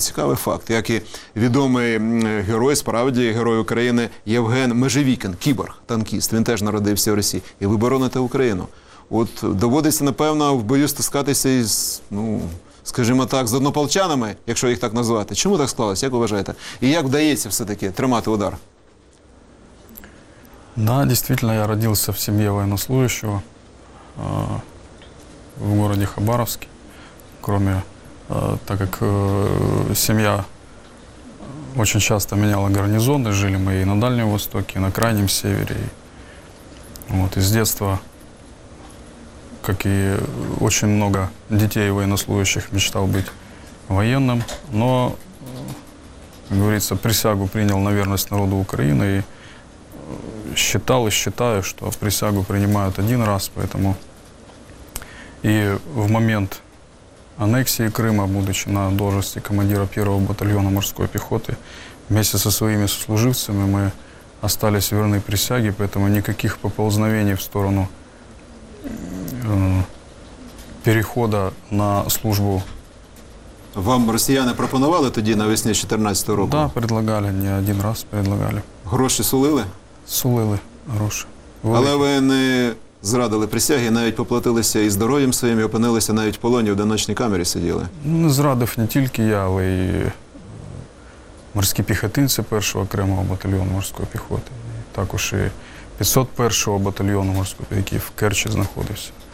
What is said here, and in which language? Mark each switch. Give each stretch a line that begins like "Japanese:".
Ukrainian: Цікавий факт, як і відомий герой, справді герой України Євген Межевікін, кіборг, танкіст, він теж народився в Росії. І ви бороните Україну. От доводиться, напевно, в бою стискатися із, ну, скажімо так, з однополчанами, якщо їх так назвати. Чому так склалося, як вважаєте? І як вдається все-таки тримати удар?
Russian: Да, действительно, я родился в семье военнослужащего в городе Хабаровске. Кроме, так как семья очень часто меняла гарнизоны, жили мы и на Дальнем Востоке, и на Крайнем Севере. И, вот, и с детства, как и очень много детей военнослужащих, мечтал быть военным. Но, как говорится, присягу принял на верность народу Украины и считал и считаю, что присягу принимают один раз, поэтому и в момент аннексии Крыма, будучи на должности командира 1-го батальона морской пехоты, вместе со своими сослуживцами мы остались верны присяге, поэтому никаких поползновений в сторону перехода на службу.
Ukrainian: Вам росіяни пропонували тоді навесні 2014 року?
Russian: Да, предлагали, не один раз предлагали.
Ukrainian: Гроші сулили? Сулили гроші. Великі. Але ви не зрадили присяги, навіть поплатилися і здоров'ям своїм, і опинилися навіть в полоні, в одиночній камері сиділи? Не зрадив не тільки я, але й морські піхотинці 1-го окремого батальйону морської піхоти. Також і 501-го батальйону морського піхоти, який в Керчі знаходився.